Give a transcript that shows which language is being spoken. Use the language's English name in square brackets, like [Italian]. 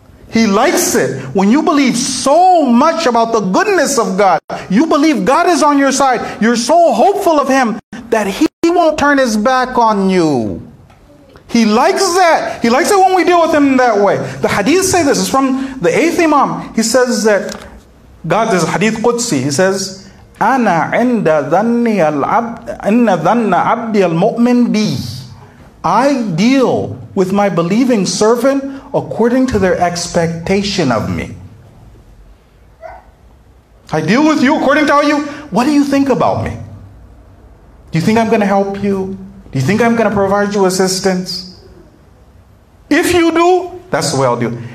[English] He likes it when you believe so much about the goodness of God. You believe God is on your side. You're so hopeful of him that he won't turn his back on you. He likes that. He likes it when we deal with him that way. The hadith say this. It's from the 8th Imam. He says that God, this is hadith Qudsi. He says, [Arabic] أَنَا عِنْدَ ذَنِّيَ الْعَبْدِ إِنَّ ذَنَّ عَبْدِيَ الْمُؤْمِنْ بِي. [English] I deal with my believing servant according to their expectation of me. I deal with you according to how you, what do you think about me? Do you think I'm going to help you? Do you think I'm going to provide you assistance? If you do, that's the way I'll do.